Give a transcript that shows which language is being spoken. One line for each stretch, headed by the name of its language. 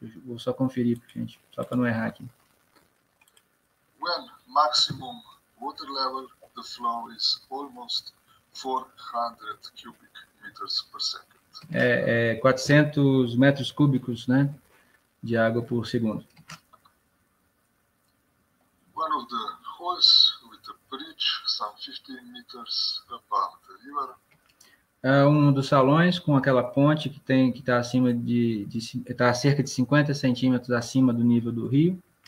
Portuguese: Vou só conferir, gente, só para não errar aqui.
English: When maximum water level, the flow is almost 400 cubic meters per second.
Portuguese: 400 metros cúbicos, né, de água por segundo.
English: One of the holes with a bridge some 15 meters above the river.
Portuguese: É um dos salões com aquela ponte que está acima está cerca de 50 centímetros acima do nível do rio.